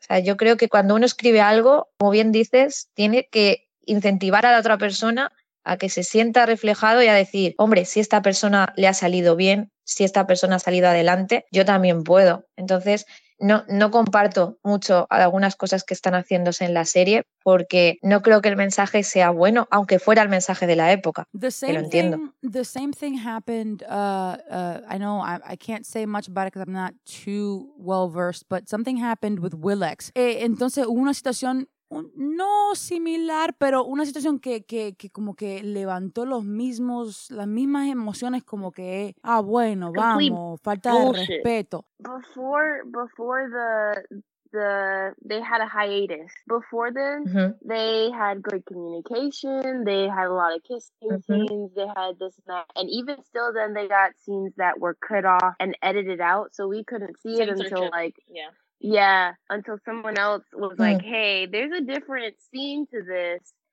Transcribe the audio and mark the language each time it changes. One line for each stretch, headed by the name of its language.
Spanish: O sea, yo creo que cuando uno escribe algo, como bien dices, tiene que incentivar a la otra persona a que se sienta reflejado y a decir, hombre, si esta persona le ha salido bien, si esta persona ha salido adelante, yo también puedo. Entonces, no comparto mucho algunas cosas que están haciéndose en la serie porque no creo que el mensaje sea bueno, aunque fuera el mensaje de la época. Lo entiendo.
English: The same thing happened, I know I can't say much about it because I'm not too well-versed, but something happened with Willex.
Spanish: Entonces, hubo una situación... no similar, pero una situación que como que levantó las mismas emociones, como que, ah, bueno, vamos, falta de respeto.
English: Before they had a hiatus. Before then, they had great communication, they had a lot of kissing scenes, they had this and that. And even still then, they got scenes that were cut off and edited out, so we couldn't see it until, like, yeah, until someone else was like, hey, there's a different scene to this.